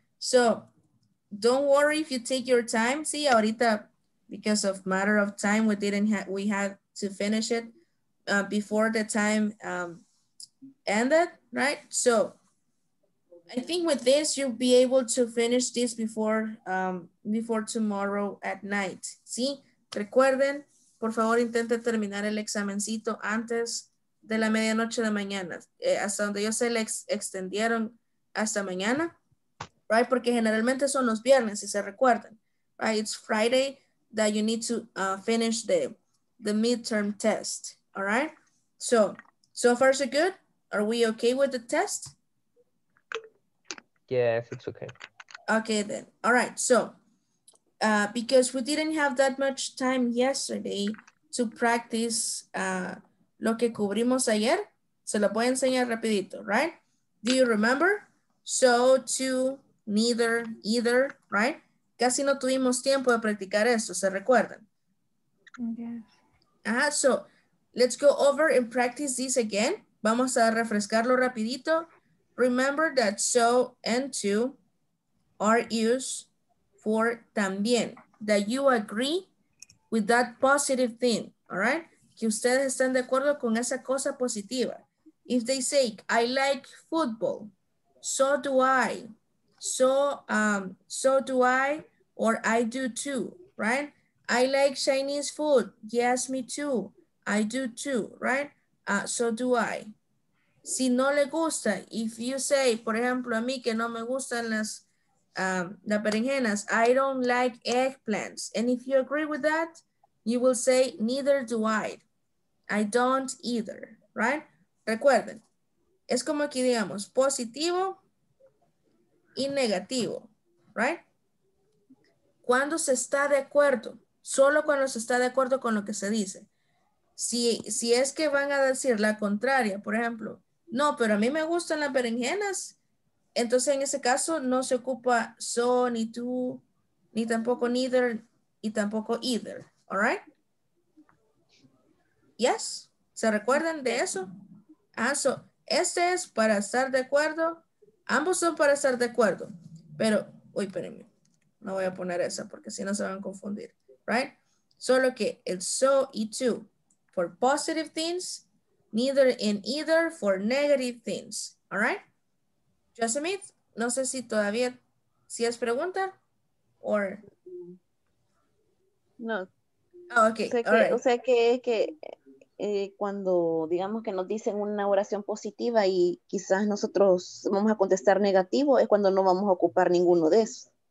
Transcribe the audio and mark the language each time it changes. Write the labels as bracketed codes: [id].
[en] So, don't worry if you take your time. See, ahorita, because of matter of time, we had to finish it. Before the time ended, right? So I think with this, you'll be able to finish this before tomorrow at night. [es] ¿Sí? Recuerden, por favor, intente terminar el examencito antes de la medianoche de mañana. Hasta donde yo sé, le extendieron hasta mañana, right? Porque generalmente son los viernes, si se recuerdan, right? [en] It's Friday that you need to finish the midterm test. All right, so far so good? Are we okay with the test? Yes, it's okay. Okay then, all right. So, because we didn't have that much time yesterday to practice [es] lo que cubrimos ayer, se lo voy a enseñar rapidito, [en] right? Do you remember? So, to, neither, either, right? [es] Casi no tuvimos tiempo de practicar esto, ¿se recuerdan? [en] Yes. Ah, so... Let's go over and practice this again. [es] Vamos a refrescarlo rapidito. [en] Remember that so and to are used for también. That you agree with that positive thing, all right? [es] Que ustedes están de acuerdo con esa cosa positiva. [en] If they say, I like football, so do I. So do I, or I do too, right? I like Chinese food, yes, me too. I do too, right? So do I. [es] Si no le gusta, [en] if you say, [es] por ejemplo, a mí que no me gustan las berenjenas, [en] I don't like eggplants. And if you agree with that, you will say, neither do I. I don't either, right? [es] Recuerden, es como aquí digamos, positivo y negativo, right? Cuando se está de acuerdo, solo cuando se está de acuerdo con lo que se dice. Si es que van a decir la contraria, por ejemplo, no, pero a mí me gustan las berenjenas, entonces en ese caso no se ocupa so, ni tú, ni tampoco neither, y tampoco either. All right? [en] Yes? [es] ¿Se recuerdan de eso? Ah, so, este es para estar de acuerdo. Ambos son para estar de acuerdo. Pero, uy, espérenme, no voy a poner esa porque si no se van a confundir. Right? Solo que el so y tú. [en] For positive things, neither and either for negative things. All right? [es] Josemith, no sé si todavía, si es pregunta, or? No. [en] Oh, okay, [es] O sea que, cuando digamos que nos dicen una oración positiva y quizás nosotros vamos a contestar negativo, es cuando no vamos a ocupar ninguno de esos.